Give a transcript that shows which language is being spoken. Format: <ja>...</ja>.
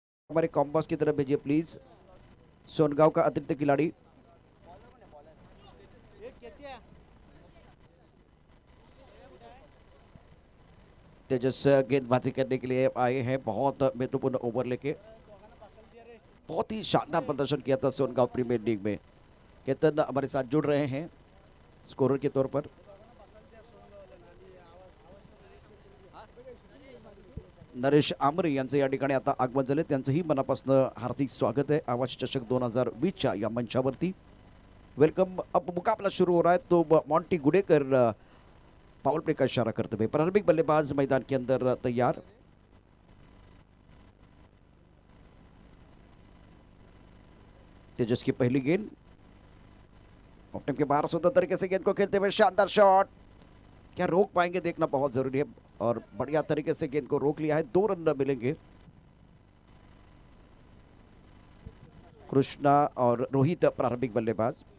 <hi>हमारे कॉम्बॉस की तरफ भेजिए प्लीज। सोनगांव का अतिरिक्त खिलाड़ी तेजस गेंदबाजी करने के लिए आए हैं, बहुत महत्वपूर्ण ओवर लेके बहुत ही शानदार प्रदर्शन किया था सोनगांव प्रीमियर लीग में। केतन हमारे साथ जुड़ रहे हैं स्कोरर के तौर पर।</hi> <mr>नरेश आमरे यांचं या ठिकाणी आता आगमन झालं, त्यांचंही मनापासून हार्दिक स्वागत आहे आवाज चषक 2020 या मंचावरती।</mr> <hi>वेलकम, अब मुकाबला शुरू हो रहा है तो मॉन्टी गुडेकर पावर प्ले का इशारा करते हुए प्रारंभिक बल्लेबाज मैदान के अंदर तैयार। तेजस की पहली गेंद, ऑफ टाइम के बाहर सुंदर तरीके से गेंद को खेलते हुए शानदार शॉट, क्या रोक पाएंगे देखना बहुत जरूरी है, और बढ़िया तरीके से गेंद को रोक लिया है। दो रन मिलेंगे कृष्णा और रोहित प्रारंभिक बल्लेबाज।</hi>